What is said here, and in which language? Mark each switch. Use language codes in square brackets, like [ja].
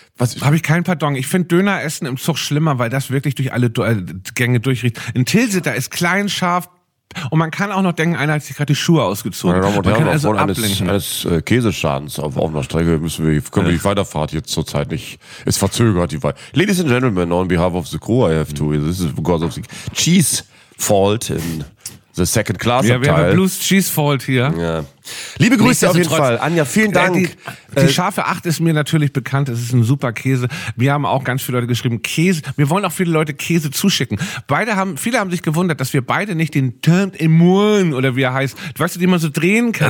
[de] Was habe ich kein Pardon. Ich finde Döner essen im Zug schlimmer, weil das wirklich durch alle Gänge durchriecht. Ein Tilsiter ist klein, scharf. Und man kann auch noch denken, einer hat sich gerade die Schuhe ausgezogen. Meine Damen und Herren, aufgrund eines Käseschadens auf offener Strecke können wir die Weiterfahrt jetzt zurzeit nicht. Es verzögert die Weiterfahrt. [en] Ladies and Gentlemen, on behalf of the crew, I have to. This is because of the cheese fault in The Second Class [de] Abteil. Ja, wir haben [en] Blues Cheese Fault [de] hier. Ja. Liebe Grüße auf jeden Fall. Anja, vielen Dank. Die scharfe 8 ist mir natürlich bekannt. Es ist ein super Käse. Wir haben auch ganz viele Leute geschrieben, Käse. Wir wollen auch viele Leute Käse zuschicken. Viele haben sich gewundert, dass wir beide nicht den Turn Immune oder wie er heißt, weißt du, den man so drehen kann.